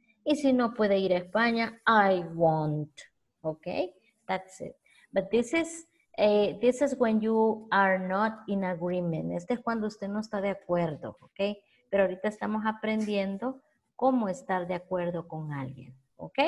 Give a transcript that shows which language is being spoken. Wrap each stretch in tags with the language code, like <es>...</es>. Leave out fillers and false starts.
<es>Y si no puede ir a España,</es> <en>I won't. Okay, that's it. But this is. This is when you are not in agreement.</en> <es>Este es cuando usted no está de acuerdo, ¿ok? Pero ahorita estamos aprendiendo cómo estar de acuerdo con alguien, ¿ok?</es>